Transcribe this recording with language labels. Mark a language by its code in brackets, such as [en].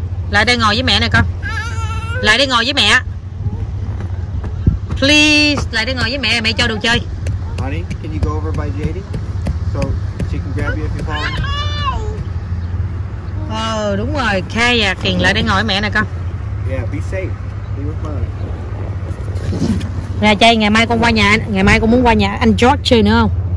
[vi] Lại đây ngồi với mẹ nè con. Lại đây ngồi với mẹ. Please, lại đây ngồi với mẹ, mẹ cho đồ chơi. [en] Honey, can you go over by JD? So she can grab you if you fall. [vi] Ờ, đúng rồi, Kay à, Kiền lại đây ngồi với mẹ nè con. [en] Yeah, be safe. Be with mommy. [vi] Nè chơi, ngày mai con qua nhà, ngày mai con muốn qua nhà anh George chơi nữa không?